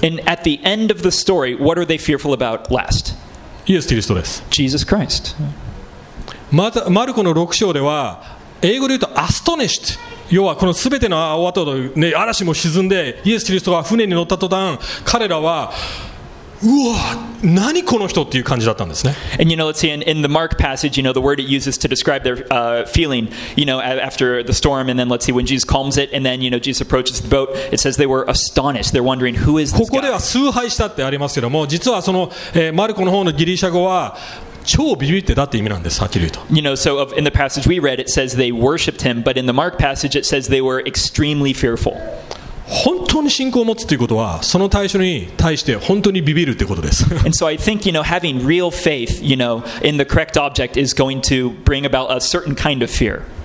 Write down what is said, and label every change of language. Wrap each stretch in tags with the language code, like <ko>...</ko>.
<en>and at the end of the story what are they fearful about last</en> <ja>イエス・キリストです</ja> <en>Jesus Christ</en> <ja>またマルコの6章では英語で言うと astonished要はこのすべての終わった後、ね、嵐も沈んでイエス・キリストが船に乗った途端彼らはうわ何この人っていう感じだったんですね</ja> <en>And you know, let's see, in the Mark passage, you know, the word it uses to describe their feeling, you know, after the storm, and then let's see, when Jesus calms it, and then, you know, Jesus approaches the boat, it says they were astonished. They're wondering, who is this guy?</en> <ja>ここでは崇拝したってありますけども、実はその、マルコの方のギリシャ語は超ビビってたって意味なんです。はっきり言うと。</ja> <en>You know, so of, in the passage we read, it says they worshipped him, but in the Mark passage, it says they were extremely fearful.</en> <ja>本当に信仰を持つということは、その対象に対して本当にビビるということです。</ja> <en>And so I think, you know, having real faith, you know, in the correct object is going to bring about a certain kind of fear.</en>